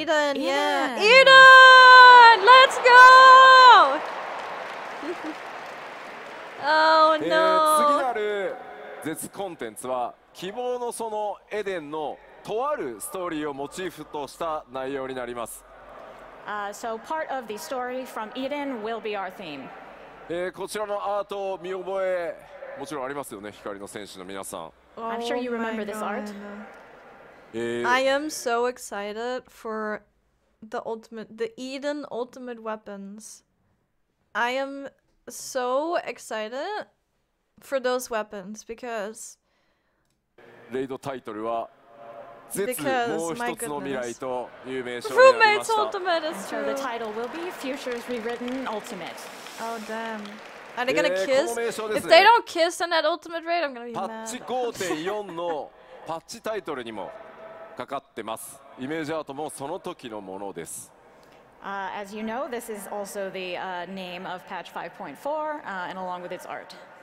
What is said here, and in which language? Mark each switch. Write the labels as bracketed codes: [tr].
[ja] イーデン、イーデン、イーデン、 [en] Let's go! Oh no! [ja] 次なる絶コンテンツは希望のそのエデンのとあるストーリーをモチーフとした内容になります。 [en] So part of the story from Eden will be our theme. [ja] こちらのアート見覚えもちろんありますよね、光の戦士の皆さん。 [en] Oh, I'm sure you remember this art. I am so excited for the ultimate, the Eden ultimate weapons. I am so excited for those weapons because. [ja] レイドタイトルは。 [en] Because my goodness, Roommate's Ultimate is true. So the title will be Futures Rewritten Ultimate. Oh damn! Are they gonna kiss? If they don't kiss on that ultimate raid, I'm gonna be mad. [ja] Patch 5.4 のパッチタイトルにもかかってます。イメージアートもその時のものです。 [en] As you know, this is also the name of Patch 5.4, and along with its art.